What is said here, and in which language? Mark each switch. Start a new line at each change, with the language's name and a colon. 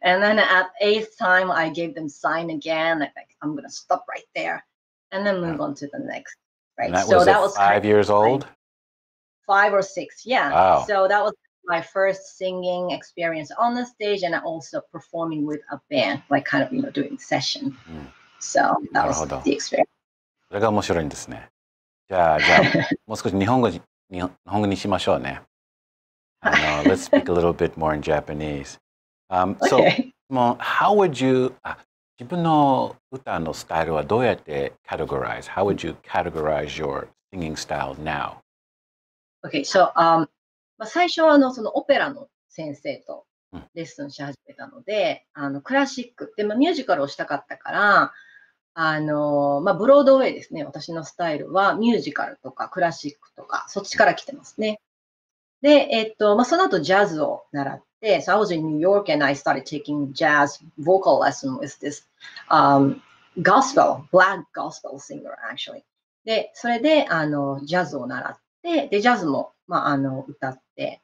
English: And then at 8th time, I gave them sign again, like I'm going to stop right there and then move on to the next. Right. And that was 5 years old? 5 or 6, yeah. Wow. So that was my first singing experience on the stage and also performing with a band, like kind of, you know, doing session. So that was the experience.
Japanese: それが面白いんですね。じゃあ、もう少し日本語にしましょうね。
English: Let's speak a little bit more in Japanese. Okay. So, how would you,
Japanese: 自分の歌のスタイルはどうやって categorize?
English: How would you categorize your singing style now? Okay, so,
Japanese: 最初はそのオペラの先生とレッスンし始めたので、クラシックって、ミュージカルをしたかったから、ブロードウェイですね、私のスタイルはミュージカルとかクラシックとか、そっちから来てますね。で、その後ジャズを習って、
English: So、I was in New York and I started taking jazz vocal lesson with this gospel, black gospel singer actually.
Japanese: で、それでジャズを習って、で、ジャズも歌って。